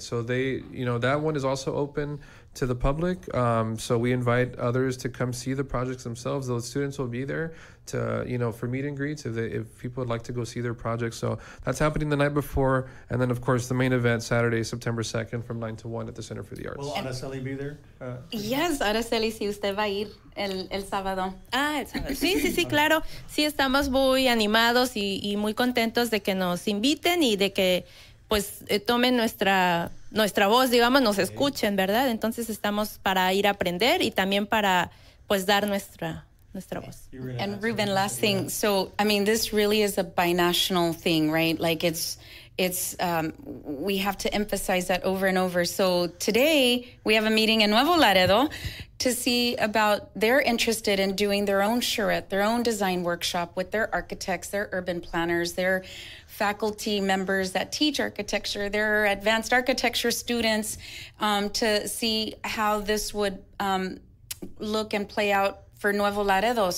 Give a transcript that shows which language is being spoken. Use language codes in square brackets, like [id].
[en] So they, you know, that one is also open to the public. So we invite others to come see the projects themselves. Those students will be there to, you know, for meet and greets if people would like to go see their projects. So that's happening the night before. And then, of course, the main event Saturday, September 2nd from 9 to 1 at the Center for the Arts. Will Aracely be there? Yes, [es] Aracely, si usted va a ir el sábado. Ah, el sábado. Sí, claro. Sí, estamos muy animados y muy contentos de que nos inviten y de que, pues, tomen nuestra voz, digamos, nos escuchen, ¿verdad? Entonces estamos para ir a aprender y también para, pues, dar nuestra voz. [en] And Ruben, last thing. So, I mean, this really is a binational thing, right? Like, it's we have to emphasize that over and over. So today we have a meeting in Nuevo Laredo to see about they're interested in doing their own charrette, their own design workshop with their architects, their urban planners, their faculty members that teach architecture, their advanced architecture students, to see how this would look and play out for Nuevo Laredo.